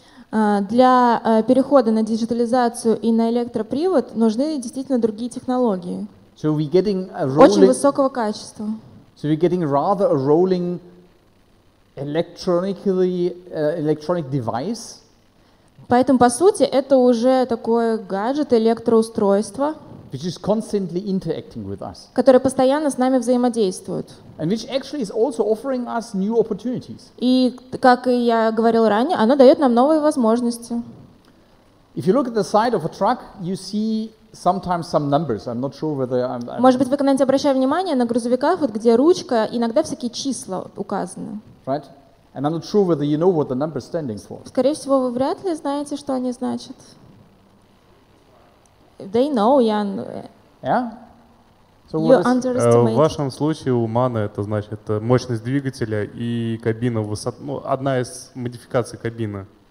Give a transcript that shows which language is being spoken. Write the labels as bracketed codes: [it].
[ru] Для перехода на диджитализацию и на электропривод нужны действительно другие технологии. [en] So we're getting a [ru] очень высокого качества. [en] So we're getting rather a rolling electronically electronic device. [ru] Поэтому, по сути, это уже такое гаджет, электроустройство, [en] which is constantly interacting with us, [ru] которое постоянно с нами взаимодействует. [en] And which actually is also offering us new opportunities. [ru] И, как и я говорил ранее, оно дает нам новые возможности. [en] If you look at the side of a truck, you see sometimes some numbers. I'm not sure whether I'm [ru] Может быть, вы когда-нибудь обращали внимание на грузовиках, вот где ручка, иногда всякие числа указаны. [en] Right? And I'm not sure whether you know what the numbers standing for. [ru] Скорее всего, вы вряд ли знаете, что они значат. [en] They know, Jan. Yeah? So you underestimate. [ru] В вашем случае у MANA это значит мощность двигателя и кабина, высота, ну, одна из модификаций кабины.